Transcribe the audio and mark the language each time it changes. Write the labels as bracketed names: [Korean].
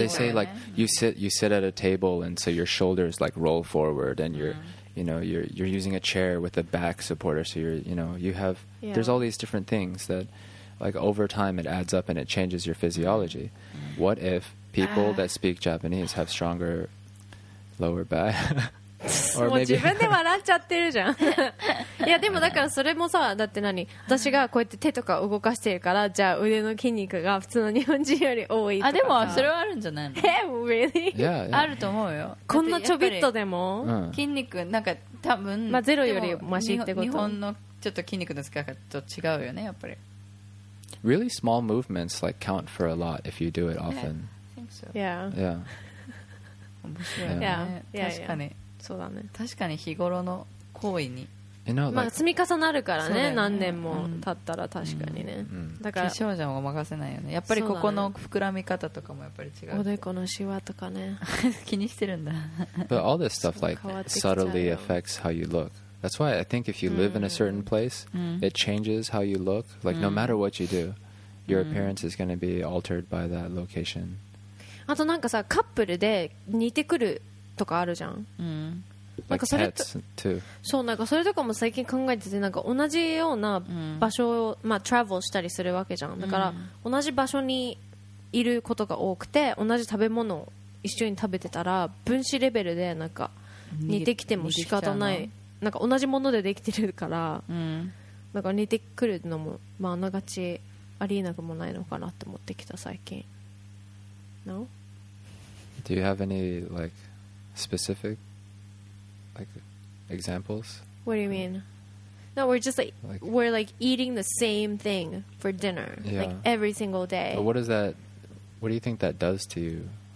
[English] They say like you sit at a table and so your shoulders like roll forward and you're, you know, you're using a chair with a back supporter, so you're, you know, you have, yeah. There's all these different things that like over time it adds up and it changes your physiology. What if people that speak Japanese have stronger lower back? [Japanese] もう自分で笑っちゃってるじゃん。いやでもだからそれもさ、だって何、私がこうやって手とか動かしてるから、じゃあ腕の筋肉が普通の日本人より多いとか。あ、でもそれはあるんじゃないの。 [English] え、really? Yeah, yeah. [Japanese] あると思うよ。こんなちょびっとでも筋肉なんか多分、まあ、ゼロよりマシってこと。日本のちょっと筋肉の使い方と違うよね、やっぱり。 [English] Really small movements like count for a lot if you do it often. I think so. Yeah. Yeah. [Japanese] 面白いね。 [English] Yeah. Yeah. [Japanese] 確かに、そうだね、確かに日頃の行為に、 [English] you know, like, [Japanese] まあ積み重なるから ね、 ね、何年も経ったら確かにね、だから化粧じゃごまかせないよね、やっぱりここの膨らみ方とかもやっぱり違 う、 う、ね、おでこのシワとかね。気にしてるんだ。 [English] But all this stuff like subtly affects how you look. That's why I think if you live in a certain place, it changes how you look. Like no matter what you do, your appearance is going to be altered by that location. [Japanese] あとなんかさ、カップルで似てくるとかあるじゃん。なんかそれと、そう、なんかそれとかも最近考えてて、なんか同じような場所を、まあ、トラベルしたりするわけじゃん。だから同じ場所にいることが多くて、同じ食べ物を一緒に食べてたら分子レベルでなんか似てきても仕方ない。なんか同じものでできてるから、なんか似てくるのも、まあながちありえなくもないのかなって思ってきた最近。 [English] No? Do you have any like specific like examples? What do you mean? No, we're just like we're like eating the same thing for dinner, yeah, like every single day. But what is that, what do you think that does to you?